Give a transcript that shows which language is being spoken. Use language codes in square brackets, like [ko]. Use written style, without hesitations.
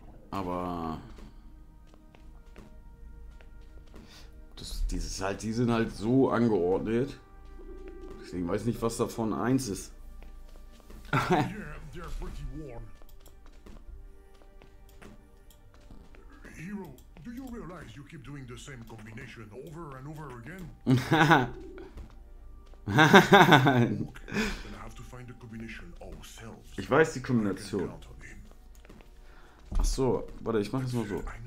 [de] Aber die sind halt so angeordnet. Deswegen weiß ich nicht, was davon eins ist. [en] Yeah, they're pretty worn. Hero, do you realize you keep doing the same combination over and over again? Okay, then I have to find the combination ourselves. [de] Ich weiß die Kombination. Ach so, warte, ich mach es nur so.